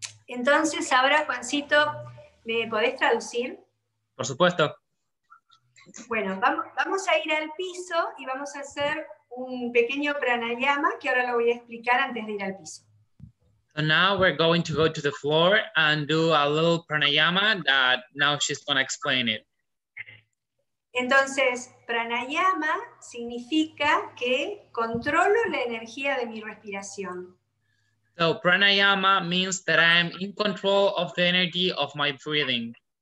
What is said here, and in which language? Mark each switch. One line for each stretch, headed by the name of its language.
Spanish: Entonces, ahora, Juancito, ¿me podés traducir? Por supuesto. Bueno, vamos a ir al piso y vamos a hacer un pequeño pranayama que ahora lo voy a explicar antes de ir al piso.
English: So now we're going to go to the floor and do a little pranayama that now she's going to explain it.
Spanish: Entonces, pranayama significa que controlo la energía de mi respiración.
English: So pranayama means that I am in control of the energy of my breathing.